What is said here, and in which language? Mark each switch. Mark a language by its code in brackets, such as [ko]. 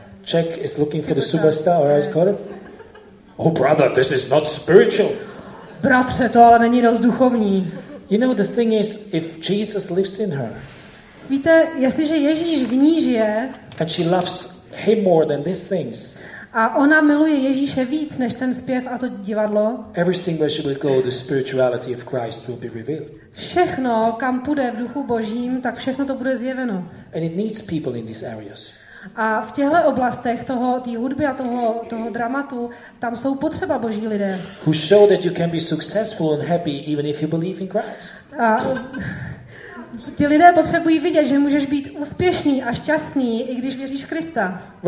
[en] Czech is looking superstar. For the superstar, or how is it called? Oh brother, this is not spiritual. [cs] Bratře, to ale není dost duchovní. [en] You know the thing is, if Jesus lives in her. [cs] Víte, jestliže Ježíš v ní žije. [en] And she loves him more than these things. [cs] A ona miluje Ježíše víc než ten zpěv a to divadlo. [en] Everything where she will go, the spirituality of Christ will be revealed. [cs] Všechno, kam půjde v duchu Božím, tak všechno to bude zjeveno. [en] And it needs people in these areas. [cs] A v těchto oblastech toho té hudby a toho dramatu tam jsou potřeba boží lidé. [en] Who show that you can be successful and happy even if you believe in Christ. [cs] A ti lidé potřebují vidět, že můžeš být úspěšný a šťastný, i když věříš v Krista.